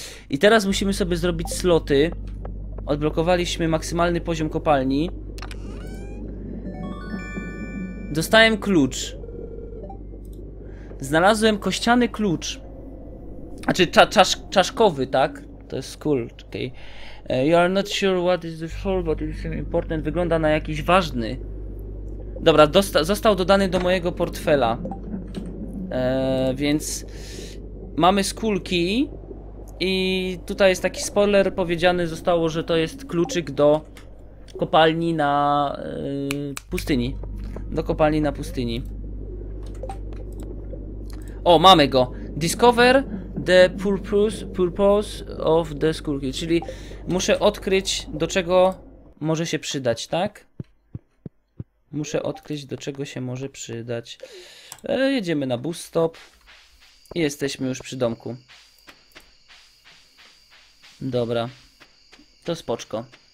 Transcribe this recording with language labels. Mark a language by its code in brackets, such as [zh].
[pl] I teraz musimy sobie zrobić sloty. Odblokowaliśmy maksymalny poziom kopalni. Dostałem klucz. Znalazłem kościany klucz. Znaczy czaszkowy, tak? To jest cool. Okay. [en] You are not sure what is this for, but it's important. [pl] Wygląda na jakiś ważny. Dobra, został dodany do mojego portfela. Więc mamy skull key. I tutaj jest taki spoiler powiedziany, zostało, że to jest kluczyk do kopalni na pustyni. Do kopalni na pustyni. O, mamy go. [en] Discover the purpose of the skull key. [pl] Czyli muszę odkryć, do czego może się przydać, tak? Muszę odkryć, do czego się może przydać. Jedziemy na bus stop. Jesteśmy już przy domku. Dobra. To spoczko.